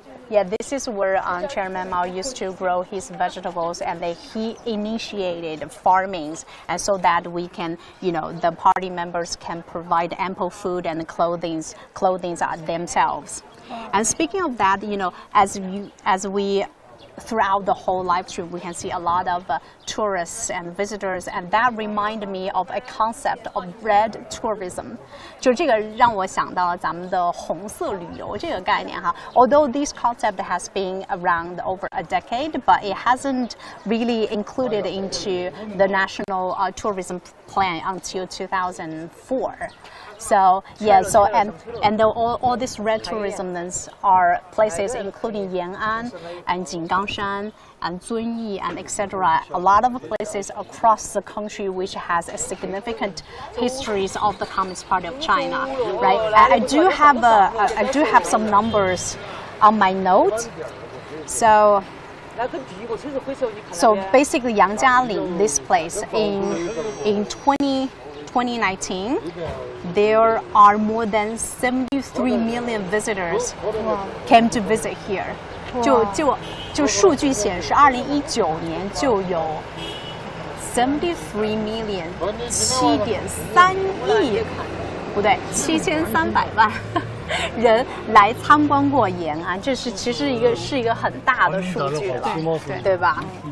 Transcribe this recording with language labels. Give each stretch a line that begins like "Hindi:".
English: Yeah, this is where Chairman Mao used to grow his vegetables, and he initiated farming, and so that we can, the party members can provide ample food and clothing themselves. And speaking of that, as we throughout the whole live stream, we can see a lot of tourists and visitors, and that reminded me of a concept of red tourism.
Chinese: 就这个让我想到了咱们的红色旅游这个概念哈。
English: Although this concept has been around over a decade, but it hasn't really included into the national tourism plan until 2004. So, yeah, so and all these red tourism are places including Yan'an and Jinggangshan and Zunyi and etc. A lot of places across the country which has a significant histories of the Communist Party of China, right? I do have some numbers on my note. So basically Yang Jialing, this place in 2019, there are more than 73 million visitors came to visit here.
Chinese: 就数据显示，2019年就有
English: 73 million
Chinese: 7.3亿，不对，7300万人来参观过延安，这是其实是一个很大的数据了，对吧？